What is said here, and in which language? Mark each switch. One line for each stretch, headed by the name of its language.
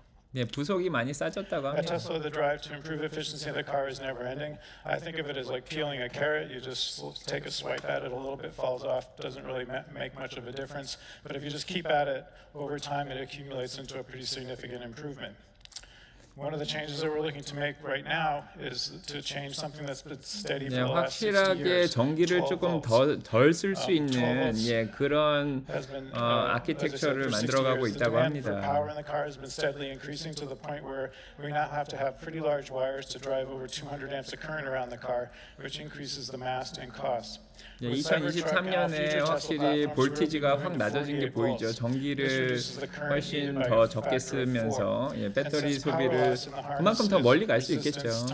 Korean: 네, 부속이 많이 싸졌다고 합니다.
English: Tesla, the drive to improve efficiency of the car is never ending. I think of it as like peeling a carrot. You just take a swipe at it, a little bit falls off, doesn't really make much of a difference. But if you just keep at it, over time it accumulates into a pretty significant improvement. One of the changes that we're looking to make right now is to change something that's been steady for the last
Korean: 확실하게 전기를 조금 덜 쓸 수 있는 예 그런 아키텍처를 만들어 가고 있다고 합니다.
English: Power in the car has been steadily increasing to the point where we now have to have pretty large wires to drive over 200 amps of current around the car, which increases the mass and cost.
Korean: 예, 2023년에 확실히 볼티지가 확 낮아진 게 보이죠. 전기를 훨씬 더 적게 쓰면서 예, 배터리 소비를 그만큼 더 멀리 갈 수 있겠죠.